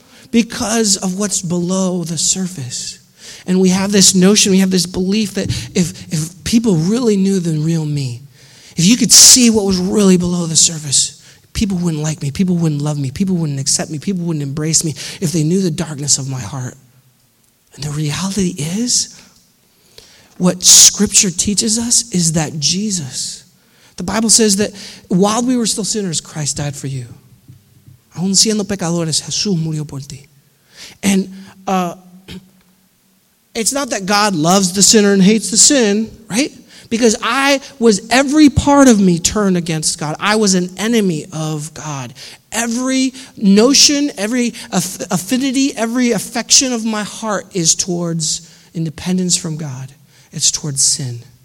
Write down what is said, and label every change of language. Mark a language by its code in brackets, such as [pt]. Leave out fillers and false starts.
[en] Because of what's below the surface. And we have this notion, we have this belief that if people really knew the real me, if you could see what was really below the surface, people wouldn't like me. People wouldn't love me. People wouldn't accept me. People wouldn't embrace me if they knew the darkness of my heart. And the reality is, what Scripture teaches us is that Jesus, the Bible says that while we were still sinners, Christ died for you. [es] Aun siendo pecadores, Jesús murió por ti. [en] And it's not that God loves the sinner and hates the sin, right? Because I was, every part of me turned against God. I was an enemy of God. Every notion, every affinity, every affection of my heart is towards independence from God. It's towards sin.